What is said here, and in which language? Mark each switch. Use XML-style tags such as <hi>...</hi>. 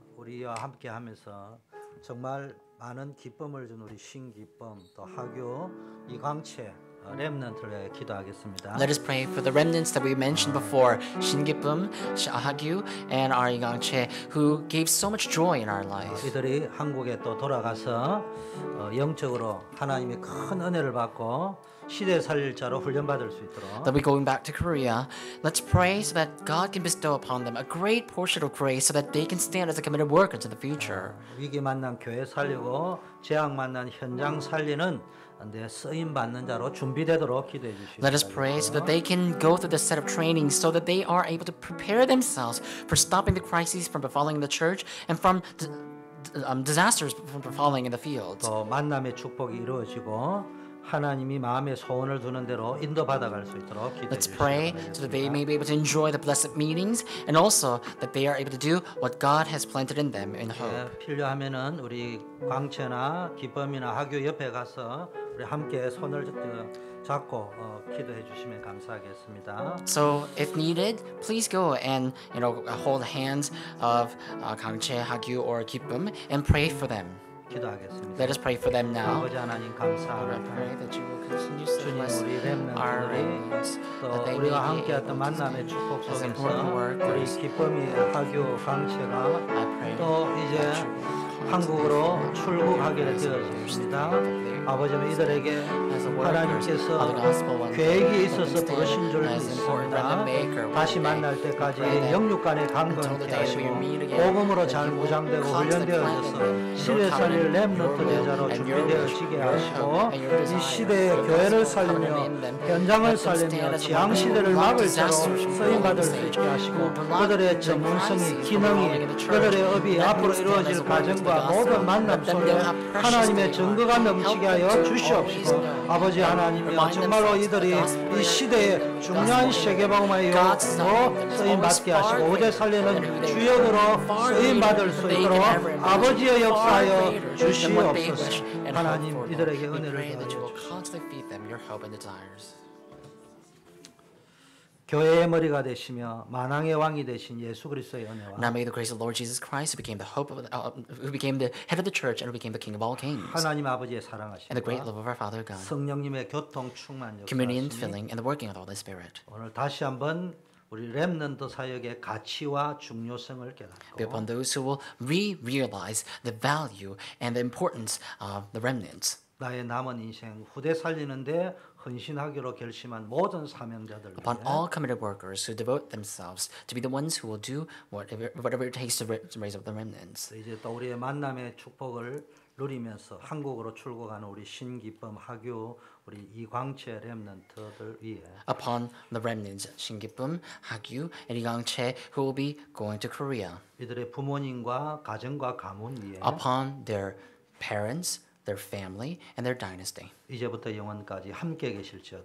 <ko>우리와 함께 하면서 정말 많은 기쁨을 준 우리 신기쁨 또 학교 이광채 렘넌트를 위해 기도하겠습니다.</ko> <en>Let us pray for the remnants that we mentioned before, 신기쁨, 하규, and 이광채, who gave so much joy in our lives.</en> <ko>이들이 한국에 또 돌아가서 영적으로 하나님의 큰 은혜를 받고 시대 살릴 자로 훈련받을 수 있도록.</ko> <en>They'll be going back to Korea. Let's pray so that God can bestow upon them a great portion of grace so that they can stand as a committed worker into the future.</en> <ko>위기 만난 교회 살리고 재앙 만난 현장 살리는 내 쓰임 받는 자로 준비되도록 기도해 주시옵소서.</ko> <en>Let us pray so that they can go through this set of training so that they are able to prepare themselves for stopping the crises from befalling the church and from disasters from befalling in the field.</en> <ko>또 만남의 축복이 이루어지고 하나님이 마음에 소원을 두는 대로 인도받아갈 수 있도록 기도해 주시옵소서.</ko> <en>Let's pray so that they may be able to enjoy the blessed meetings and also that they are able to do what God has planted in them in hope.</en> <ko>필요하면은 우리 광채나 기쁨이나 학교 옆에 가서 우리 함께 손을 잡고 기도해 주시면 감사하겠습니다.</ko> <en>So if needed, please go and you know hold hands of 광채, 학규 or 기쁨 and pray for them. Let us pray for them now. Lord, I pray that you will continue to bless our remnants, that they may be able to continue as important workers. I pray that you will</en> <ko>한국으로 출국하게 되었습니다. 아버지는 이들에게 하나님께서 계획이 있어서 부르신 줄 믿습니다. 다시 만날 때까지 영육 간에 강건케 하시고 복음으로 잘 무장되고 훈련되어져서 시대 살릴 렘넌트 제자로 준비되어지게 하시고 이 시대의 교회를 살리며 현장을 살리며 지향시대를 막을 자로 쓰임받을 수 있게 하시고 그들의 전문성이 기능이 그들의 업이 앞으로 이루어질 과정과 모든 만남 속에 하나님의 증거가 넘치게 하여 주시옵시고 아버지 하나님이여 정말로 이들이 이 시대의 중요한 세계복음화의 역으로 쓰임받게 하시고 오대 살리는 주역으로 쓰임받을 수 있도록 아버지의 역사하여 주시옵소서. 하나님 이들에게 은혜를 주옵소서. 교회의 머리가 되시며 만왕의 왕이 되신 예수 그리스도의 은혜와</ko> <en>Now may the grace of the Lord Jesus Christ who became the hope of who became the head of the church and who became the king of all kings</en> <ko>하나님 아버지의 사랑하심</ko> <en>And the great love of our Father God</en> <ko>성령님의 교통 충만</ko> <en>Communion filling and the working of the Holy Spirit</en> <ko>오늘 다시 한번 우리 렘넌트 사역의 가치와 중요성을 깨닫고</ko> <en>Upon those who will re-realize the value and the importance of the remnants</en> <ko>나의 남은 인생 후대 살리는데 헌신하기로 결심한 모든 사명자들</ko> <en>Upon all committed workers who devote themselves to be the ones who will do whatever it takes to raise up the remnants.</en> <ko>이제 또 우리의 만남의 축복을 누리면서 한국으로 출국하는 우리 신기쁨 학교 우리 이광채 렘넌트들 위해</ko> <en>Upon the remnants 신기쁨 학교 이광채 who will be going to Korea.</en> <ko>이들의 부모님과 가정과 가문 위해</ko> <en>Upon their parents their family and their dynasty.</en> <ko>이제부터 영원까지 함께 계실지어다.</ko>